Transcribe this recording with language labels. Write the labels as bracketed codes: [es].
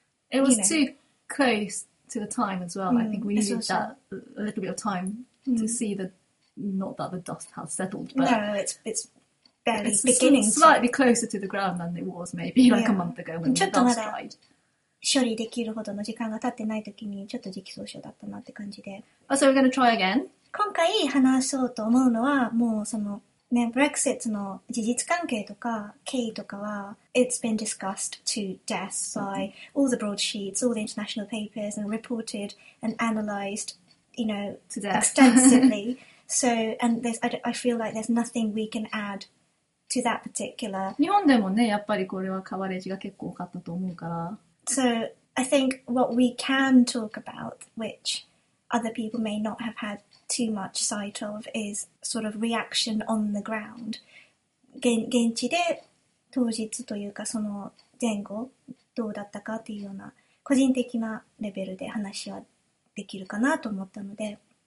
[en] it was too close to the time as well. Mm, I think we needed that a little bit of time to see the. Not that the dust has settled, but no, it's barely it's beginning. Slightly closer to the ground than it was maybe like a month ago when the dust dried. [ja] 処理できるほどの時間が経ってない時にちょっと時期早々だったなって感じで。 [en] So we're gonna try again. [ja] 今回話そうと思うのはもうそのね、Brexit の事実関係とか経緯とかは [en] It's been discussed to death by all the broadsheets, all the international papers and reported and analysed, you know, to death. extensively. So, and there's, I feel like there's nothing we can add to that particular. [ja] 日本でもね、やっぱりこれはカバレージが結構多かったと思うから。 [en] So, I think what we can talk about, which other people may not have had too much sight of, is sort of reaction on the ground. [ja] 現地で当日というかその前後どうだったかっていうような個人的なレベルで話はできるかなと思ったので。